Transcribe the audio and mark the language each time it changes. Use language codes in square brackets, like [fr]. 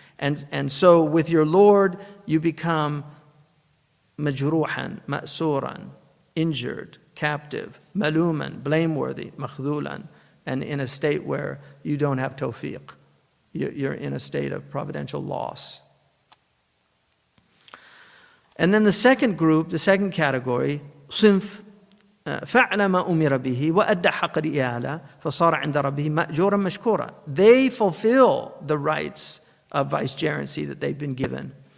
[en] And so with your Lord, you become majruhan, ma'suran, injured, captive, maluman, blameworthy, makhdulan, and in a state where you don't have tawfiq. You're in a state of providential loss. And then the second group, the second category, [ar] صنف فعل ما أمر به وأدى حق الإيالة فصار عند ربه مأجورا مشكورا. [en] They fulfill the rights of vicegerency that they've been given.